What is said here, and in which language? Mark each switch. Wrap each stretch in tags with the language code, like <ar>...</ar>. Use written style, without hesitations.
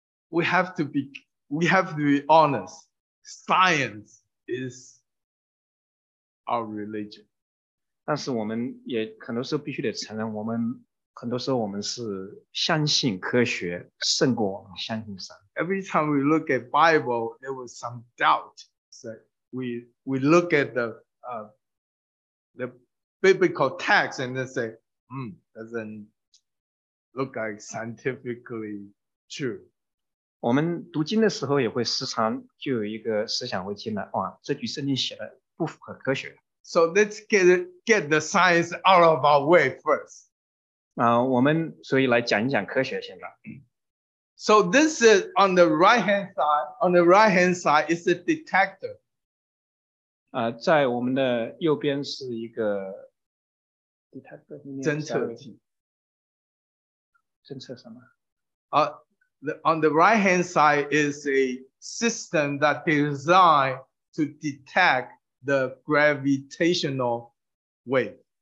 <en>we have to be honest. Science is our religion.</en> <zh>但是我们也很多时候必须得承认，我们很多时候我们是相信科学胜过我们相信神。</zh> <en>Every time we look at Bible, there was some doubt. We look at the biblical text and then say, doesn't look like scientifically true.</en> <zh>我们读经的时候也会时常就有一个思想会进来，哇，这句圣经写的不符合科学。</zh> <en>So let's get the science out of our way first.</en> <zh>我们所以来讲一讲科学先吧。</zh> <en>So this is on the right hand side. On the right hand side is the detector.</en> <zh>在我们的右边是一个 detector 侦测什么？</zh> <en>On the right hand side is a system that designed to detect the gravitational wave.</en>